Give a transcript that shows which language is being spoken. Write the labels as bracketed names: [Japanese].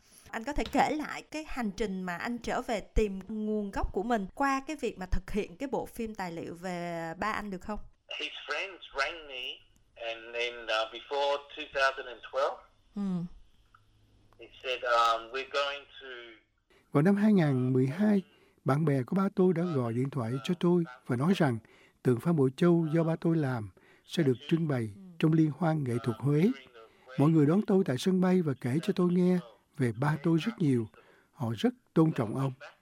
[Vietnamese] Anh có thể kể lại cái hành trình mà anh trở về tìm nguồn gốc của mình qua cái việc mà thực hiện cái bộ phim tài liệu về ba anh được không? [English] His friends rang me and then before 2012 he said we're going to. [Vietnamese] Vào năm 2012, bạn bè của ba tôi đã gọi điện thoại cho tôi và nói rằng tượng Phan Bội Châu do ba tôi làm sẽ được trưng bày trong Liên hoan nghệ thuật Huế. Mọi người đón tôi tại sân bay và kể cho tôi nghe về ba tôi rất nhiều. Họ rất tôn trọng ông.